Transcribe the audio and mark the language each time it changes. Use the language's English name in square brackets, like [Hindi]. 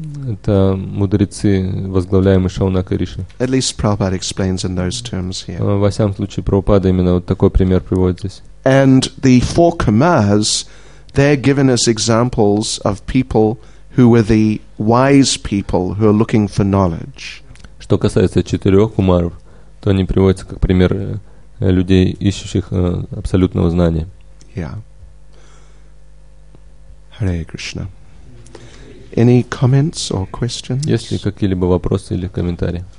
[Russian] Это мудрецы, возглавляемые Шаунака и Риши. [English] At least Prabhupada explains in those terms here. [Russian] Во всяком случае, Прабхупада именно вот такой пример приводит здесь. [English] And the four Kamas, they're given as examples of people who were the wise people who are looking for knowledge. [Russian] Что касается четырех кумаров, то они приводятся как пример людей, ищущих абсолютного знания. [English] Yeah. Hare Krishna. Any comments or questions? [Russian] Есть ли какие-либо вопросы или комментарии?